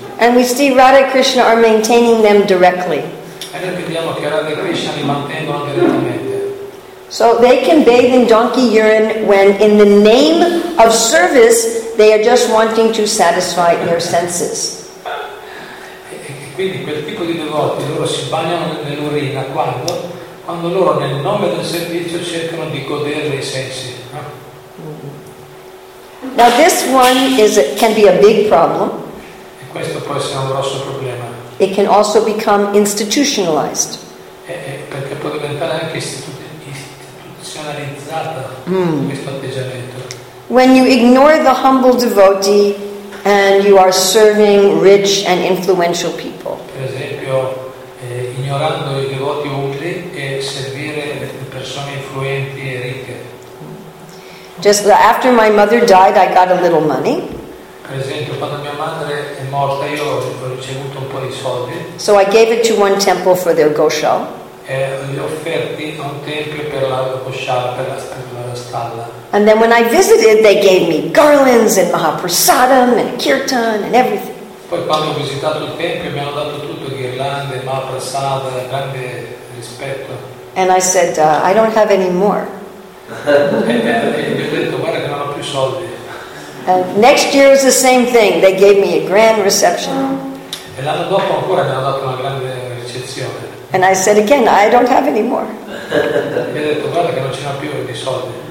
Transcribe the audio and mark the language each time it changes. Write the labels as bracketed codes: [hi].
[en] And we see Radha and Krishna are maintaining them directly. [it] E noi vediamo che Radha e Krishna li mantengono direttamente. [en] So they can bathe in donkey urine when, in the name of service, they are just wanting to satisfy their senses. [it] E quindi quel tipo di devoti, loro si bagnano nell'urina quando loro, nel nome del servizio, cercano di godere i sensi. [en] Now this one can be a big problem. [it] E questo può essere un grosso problema. [en] It can also become institutionalized. [it] Perché può diventare anche istituzionalizzata questo atteggiamento. [en] When you ignore the humble devotee and you are serving rich and influential people. [it] Per esempio, ignorando i devoti umili e servire persone influenti e ricche. [en] Just after my mother died, I got a little money. [it] Per esempio, quando mia madre è morta, io ho ricevuto un po' di soldi. [en] So I gave it to one temple for their goshal. [it] E li ho offerti a un tempio per la goshal, per la stalla. [en] And then when I visited, they gave me garlands and mahaprasadam and kirtan and everything. [it] Poi quando ho visitato il tempio, mi hanno dato tutto, ghirlande, mahaprasada, grande rispetto. [en] And I said, I don't have any more. [it] E ho detto, guarda che non ho più soldi. [en] And next year is the same thing. They gave me a grand reception. [it] E l'anno dopo ancora mi hanno dato una grande ricezione. [en] And I said again, I don't have any more. [it] E ho detto, guarda che non ce n'ho più di soldi.